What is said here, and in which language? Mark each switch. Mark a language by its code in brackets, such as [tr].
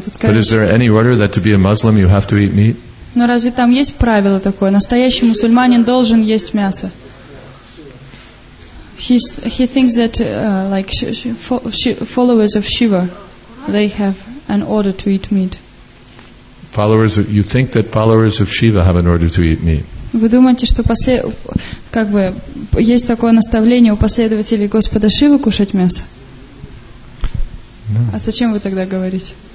[en] But is there any order that to be a Muslim you have to eat meat? [ru] Но разве там есть правило такое? Настоящий мусульманин должен есть мясо. [en] he thinks that like followers of Shiva, they have an order to eat meat. Followers, of, you think that followers of Shiva have an order to eat meat? [ru] Вы думаете, что после, как бы, есть такое наставление у последователей Господа Шивы кушать мясо? [en] No. [ru] А зачем вы тогда говорите?